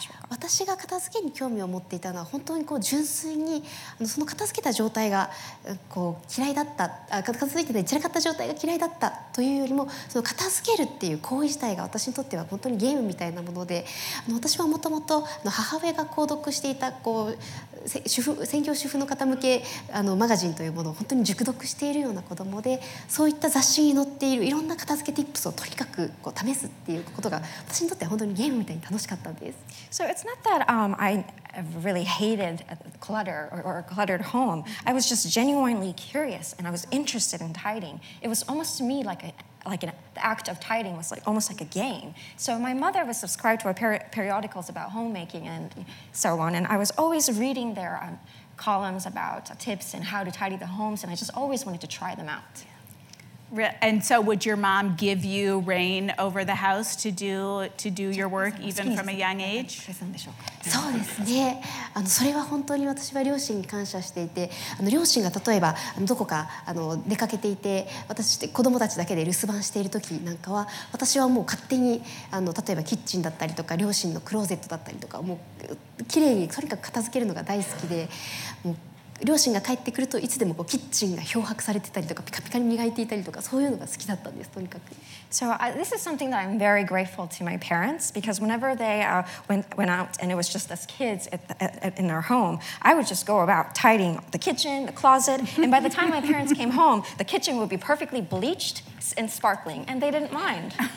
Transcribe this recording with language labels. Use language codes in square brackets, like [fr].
[ja] 私が片付けに興味を持っていたのは本当にこう純粋にその片付けた状態がこう嫌いだった、片付いてて散らかった状態が嫌いだったというよりも、その片付けるっていう行為自体が私にとっては本当にゲームみたいなもので、私はもともと母親が購読していたこう専業主婦の方向けマガジンというものを本当に熟読しているような子供で、そういった雑誌に載っているいろんな片付けティップスをとにかくこう試すっていうことが私にとって本当にゲームみたいに楽しかったんです。 [en] So it's not that I really hated clutter or a cluttered home. I was just genuinely curious and I was interested in tidying. It was almost to me the act of tidying was like almost like a game. So my mother was subscribed to periodicals about homemaking and so on, and I was always reading their columns about tips and how to tidy the homes, and I just always wanted to try them out. And so would your mom give you rein over the house to do your work even from a young age? [ja] そうですね。それは本当に私は両親に感謝していて、両親が例えばどこか出かけていて、私子供たちだけで留守番している時なんかは、私はもう勝手に例えばキッチンだったりとか両親のクローゼットだったりとか、もうきれいにとにかく片付けるのが大好きで、もう両親が帰ってくるといつでもこうキッチンが漂白されてたりとかピカピカに磨いていたりとか、そういうのが好きだったんです、とにかく。 [en] So this is something that I'm very grateful to my parents, because whenever they went out and it was just us kids in our home, I would just go about tidying the kitchen, the closet, and by the time my parents came home, the kitchen would be perfectly bleached and sparkling, and they didn't mind.